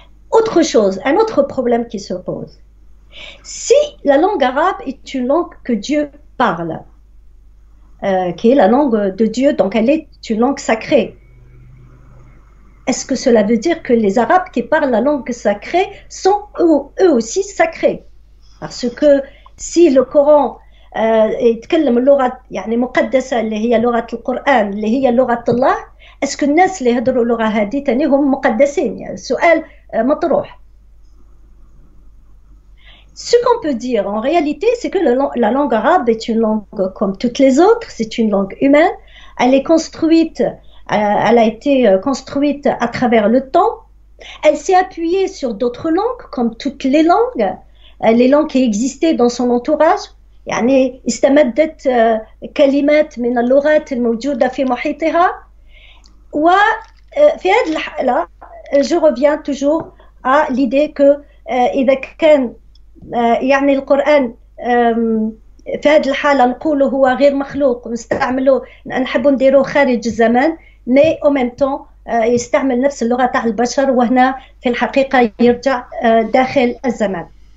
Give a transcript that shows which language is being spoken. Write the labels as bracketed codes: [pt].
[fr] autre chose un autre problème qui se pose Si la langue arabe est une langue que Dieu parle, qui est la langue de Dieu, donc elle est une langue sacrée, est-ce que cela veut dire que les Arabes qui parlent la langue sacrée sont eux aussi sacrés? Parce que si le Coran [ar] يتكلم اللغة يعني مقدسة اللي هي لغة القرآن اللي هي لغة الله, [fr] est-ce que [ar] الناس اللي يهدروا اللغة هذه تاني هم مقدسين؟ سؤال مطروح. [fr] Ce qu'on peut dire en réalité, c'est que la langue arabe est une langue comme toutes les autres, c'est une langue humaine. Elle est construite, elle a été construite à travers le temps. Elle s'est appuyée sur d'autres langues, comme toutes les langues qui existaient dans son entourage. [ar] يعني استمدت كلمات من اللغات الموجودة في محيطها. وفي هذه الحالة, [fr] je reviens toujours à l'idée que [ar] إذا كان يعني القرآن في هذه الحالة نقوله هو غير مخلوق ونستعمله نحب نديره خارج الزمان [fr] مي او ميم تون [ar] يستعمل نفس اللغة تاع البشر وهنا في الحقيقة يرجع داخل الزمان